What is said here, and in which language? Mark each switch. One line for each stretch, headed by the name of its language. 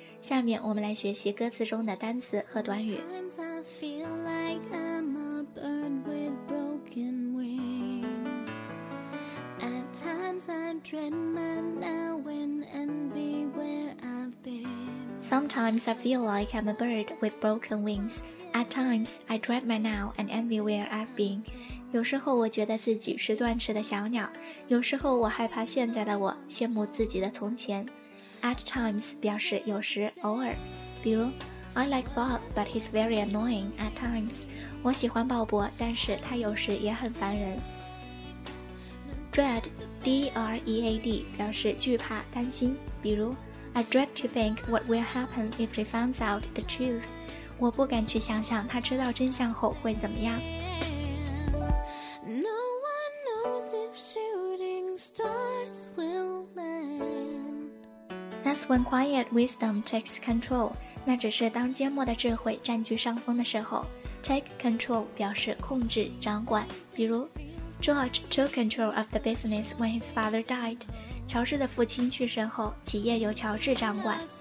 Chinese: 下面我们来学习歌词中的单词和短语。
English: Sometimes I feel like I'm a bird with broken wings. At times I dread my knowing and be where I've been. Sometimes I feel like I'm a bird with broken wings. At times, I dread my now and envy where I've been.
Chinese: 有时候我觉得自己是断翅的小鸟，有时候我害怕现在的我，羡慕自己的从前。
English: At times
Chinese: 表示有时、偶尔，比如
English: I like Bob, but he's very annoying at times.
Chinese: 我喜欢鲍勃，但是他有时也很烦人。
English: Dread, D-R-E-A-D
Chinese: 表示惧怕、担心，比如
English: I dread to think what will happen if he finds out the truth.
Chinese: 我不敢去想想他知道真相后会怎么样。
English: No one knows if shooting stars will land. That's when quiet wisdom takes control.
Chinese: 那只是当缄默的智慧占据上风的时候。
English: Take control
Chinese: 表示控制、掌管，比如
English: George took control of the business when his father died.
Chinese: 乔治的父亲去世后，企业由乔治掌管。